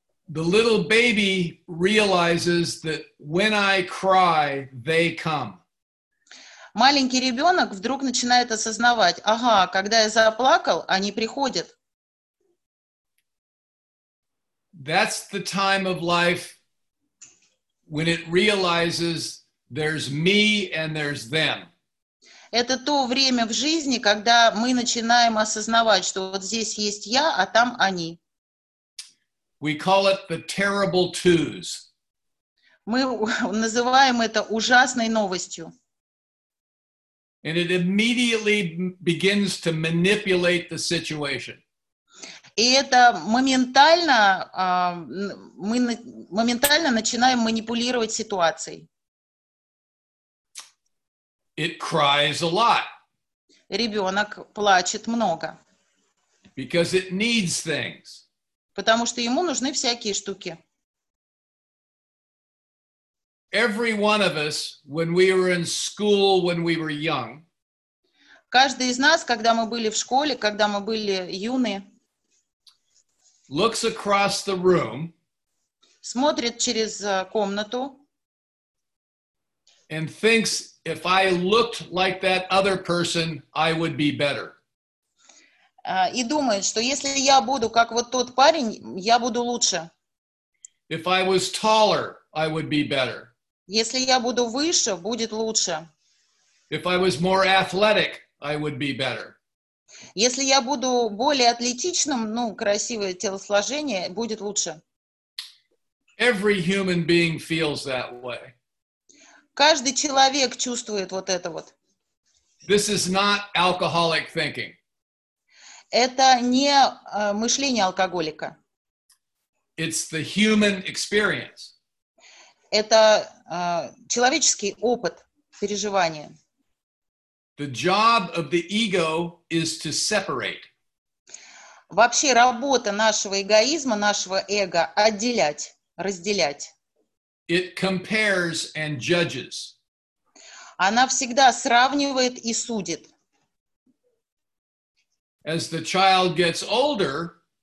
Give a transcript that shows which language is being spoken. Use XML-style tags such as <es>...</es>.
<en>The little baby realizes that when I cry, they come.</en> <ru>Маленький ребенок вдруг начинает осознавать, ага, когда я заплакал, они приходят.</ru> <en>That's the time of life when it realizes there's me and there's them.</en> <ru>Это то время в жизни, когда мы начинаем осознавать, что вот здесь есть я, а там они.</ru> <en>We call it the terrible twos.</en> <ru>Мы называем это ужасной новостью.</ru> <en>And it immediately begins to manipulate the situation.</en> <ru>И это моментально, мы моментально начинаем манипулировать ситуацией.</ru> <en>It cries a lot.</en> <ru>Ребенок плачет много.</ru> <en>Because it needs things.</en> <ru>Потому что ему нужны всякие штуки.</ru> <en>Every one of us, when we were in school, when we were young,</en> <ru>каждый из нас, когда мы были в школе, когда мы были юны,</ru> <en>looks across the room,</en> <ru>смотрит через комнату,</ru> <en>and thinks, if I looked like that other person, I would be better.</en> <ru>И думает, что если я буду как вот тот парень, я буду лучше.</ru> <en>If I was taller, I would be better.</en> <ru>Если я буду выше, будет лучше.</ru> <en>If I was more athletic, I would be better.</en> <ru>Если я буду более атлетичным, ну, красивое телосложение, будет лучше.</ru> <en>Every human being feels that way.</en> <ru>Каждый человек чувствует вот это вот.</ru> <en>This is not alcoholic thinking.</en> <ru>Это не мышление алкоголика.</ru> <en>It's the human experience.</en> <ru>Это человеческий опыт переживания.</ru> <en>The job of the ego is to separate.</en> <ru>Вообще работа нашего эгоизма, нашего эго – отделять, разделять.</ru> <en>It compares and judges.</en> <ru>Она всегда сравнивает и судит.</ru> <en>As the child gets older,</en>